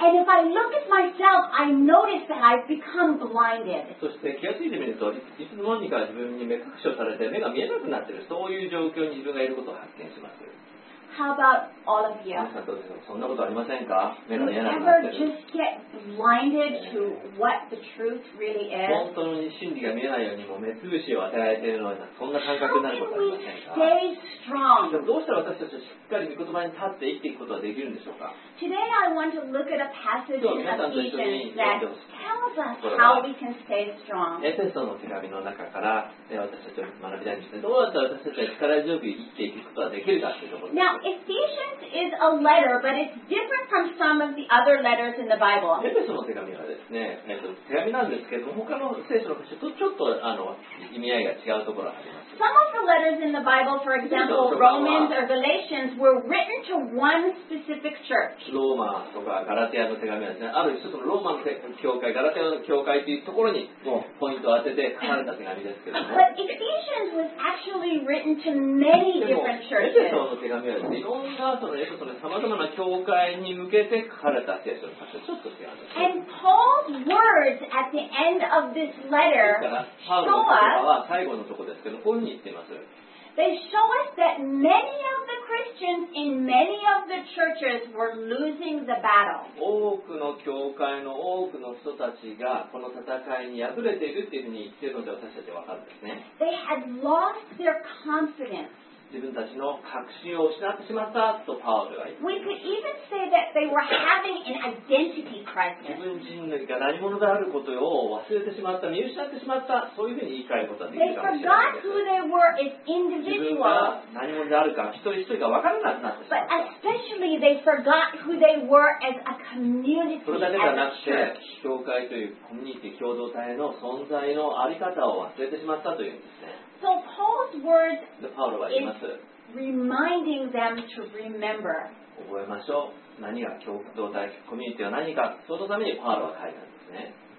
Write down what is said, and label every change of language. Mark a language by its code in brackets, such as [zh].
[en] And if I look at myself, I notice that I've become blinded. [ja] そして気がついてみると、いつの間にか自分に目隠しをされて目が見えなくなっている。そういう状況に自分がいることを発見します。 [en] How about all of you? [ja] そんなことありませんか？目の見えなくなってる。 [en] You ever just get blinded to what the truth really is? [ja] 本当に真理が見えないようにも目つぶしを与えているのにそんな感覚になることありませんか？ [en] How can we stay strong? [ja] でもどうしたら私たちはしっかり御言葉に立って生きていくことができるんでしょうか？ [en] Today I want to look at a passage in Ephesians that tells us how we can stay strong. [ja] エペソの手紙の中から私たちを学びたいんですね。どうやったら私たちは力強く生きていくことができるかというところです。 [en] Ephesians is a letter, but it's different from some of the other letters in the Bible. [ja] エペソの手紙はですね、手紙なんですけども、他の聖書の箇所とちょっと意味合いが違うところがあります。 [en] Some of the letters in the Bible, for example, Romans or Galatians, were written to one specific church. [ja] ローマとかガラテヤの手紙はですね、ある一つのローマの教会、ガラテヤの教会というところにもうポイントを当てて書かれた手紙ですけども。 [en] But Ephesians was actually written to many different churches. [ja] エペソの手紙はいろんなそのエペソの様々な教会に向けて書かれた聖書の箇所、ちょっと違うんです。 [en] And Paul's words at the end of this letter show us. [ja] パウロの言葉は最後のところですけど。に言ってます。 [en] They show us that many of the Christians in many of the churches were losing the battle. [ja] 多くの教会の多くの人たちがこの戦いに敗れているっていうふうに言っているので私たちは分かるんですね。 [en] They had lost their confidence. [ja] 自分たちの確信を失ってしまったとパウロは言っています [en] 。We could even say that they were having an identity crisis. [ja] 自分自身が何者であることを忘れてしまった、見失ってしまった、そういうふうに言い換えることができるかもしれないです。 [en] They forgot who they were as individuals. [ja] 自分が何者であるか、一人一人が分からなくなってしまった。 [en] But especially they forgot who they were as a community. [ja] それだけではなくて、教会というコミュニティ、共同体の存在のあり方を忘れてしまったというんですね。 [en] So Paul's words is reminding them to remember. [ja] 覚えましょう。何が共同体コミュニティは何か。そのためにパウロは書いたんですね。